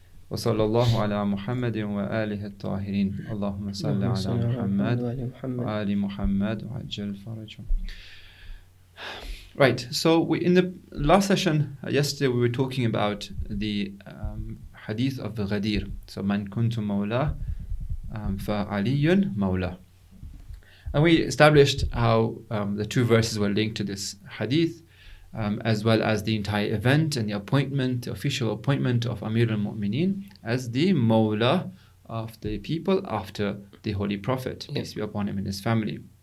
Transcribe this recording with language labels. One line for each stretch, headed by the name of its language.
Arabic: وصلى الله على محمد وآله الطاهرين اللهم صل على محمد وآل محمد وعجل فرجهم.
English: Right, so we, in the last session yesterday we were talking about the hadith of the Ghadir.
Arabic: So من كنت مولاه فعلي مولاه.
English: And we established how the two verses were linked to this hadith, as well as the entire event and the appointment, the official appointment of Amir al-Mu'mineen as the Mawla of the people after the Holy Prophet, peace be upon him and his family.